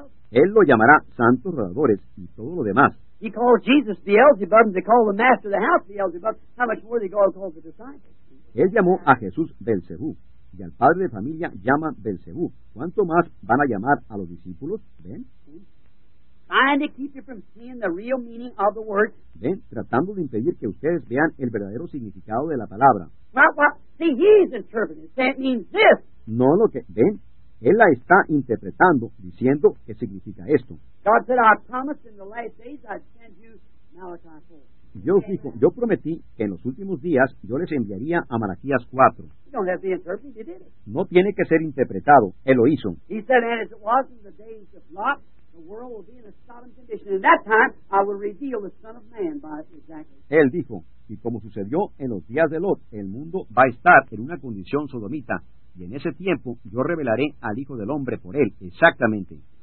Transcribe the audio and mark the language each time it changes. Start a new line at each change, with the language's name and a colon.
Spanish: Él lo llamará santos rodadores y todo lo demás.
English: He calls Jesus Beelzebub, and they call the master of the house Beelzebub. How much more they call the disciples?
Spanish: Él llamó a Jesús Belcebú, y al padre de familia llaman Belcebú. ¿Cuánto más van a llamar a los discípulos? ¿Ven?
English: Trying to keep you from seeing the real meaning of the word.
Spanish: ¿Ven? Tratando de impedir que ustedes vean el verdadero significado de la palabra.
English: See, he's interpreting. That means this.
Spanish: No, lo que... ¿Ven? Él la está interpretando, diciendo que significa esto.
English: God said, I promised in the last days I'd send you Malachi 4.
Spanish: Yo dijo, yo prometí que en los últimos días yo les enviaría a Malaquías 4.
English: You don't have to interpret, he did it.
Spanish: No tiene que ser interpretado, él lo hizo.
English: He said, and as it was in the days of Lot, the world will be in a Sodom condition. In that time, I will reveal the Son of Man by exactly.
Spanish: Él dijo, y como sucedió en los días de Lot, el mundo va a estar en una condición sodomita. Y en ese tiempo, yo revelaré al Hijo del Hombre por él, exactamente.